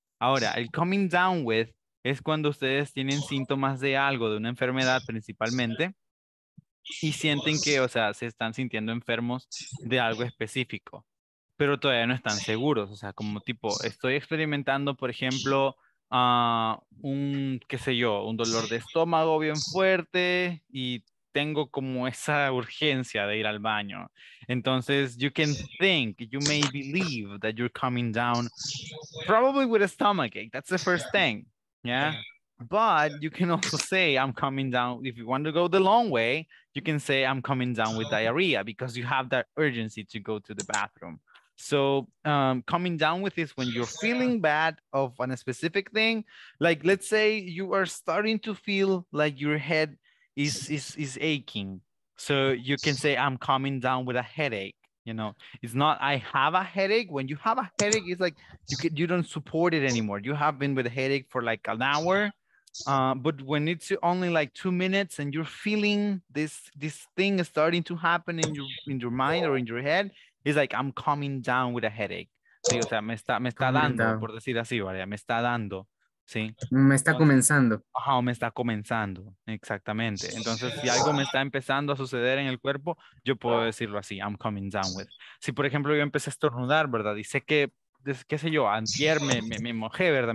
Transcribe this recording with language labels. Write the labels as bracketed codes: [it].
[es] Ahora, el coming down with es cuando ustedes tienen síntomas de algo, de una enfermedad principalmente, y sienten que, o sea, se están sintiendo enfermos de algo específico, pero todavía no están seguros. O sea, como tipo, estoy experimentando, por ejemplo, un dolor de estómago bien fuerte y tengo como esa urgencia de ir al baño. [en] Entonces, you can think, you may believe that you're coming down probably with a stomachache. That's the first thing. Yeah, but you can also say I'm coming down. If you want to go the long way, you can say I'm coming down with diarrhea because you have that urgency to go to the bathroom. So coming down with is when you're feeling bad of a specific thing. Like, let's say you are starting to feel like your head is aching. So you can say I'm coming down with a headache. You know, it's not I have a headache. When you have a headache, it's like you don't support it anymore. You have been with a headache for like an hour. But when it's only like 2 minutes and you're feeling this thing is starting to happen in your mind or in your head, it's like I'm coming down with a headache. [es] Sí, o sea, me está dando, por decir así, ¿vale? Me está dando. Sí. Me está comenzando. Ajá, me está comenzando, exactamente. Entonces, si algo me está empezando a suceder en el cuerpo, yo puedo decirlo así, I'm coming down with. Si, por ejemplo, yo empecé a estornudar, ¿verdad? Y sé que, qué sé yo, antier me mojé, ¿verdad?